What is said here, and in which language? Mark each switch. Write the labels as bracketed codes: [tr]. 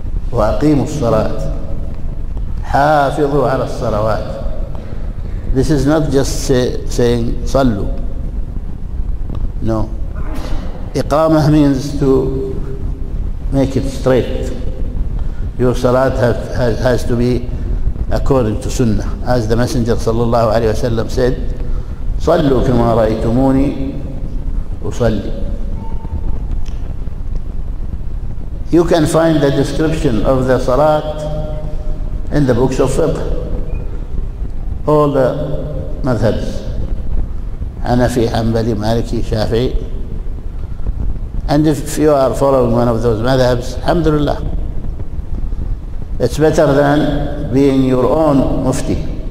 [ar] وَأَقِيمُوا الصَّلَاةَ حَافِظُوا عَلَى الصَّلَوَاتِ. [en] This is not just saying صَلُّوا. No. إِقَامَةَ means to make it straight. Your salat has to be according to sunnah. As the Messenger صلى الله عليه وسلم said, [ar] صَلُّوا كَمَا رَأَيْتُمُونِي أُصَلِّي. [en] You can find the description of the salat in the books of fiqh. All the madhabs, Hanafi, Hanbali, Maliki, Shafi'i. And if you are following one of those madhabs, alhamdulillah, it's better than being your own mufti.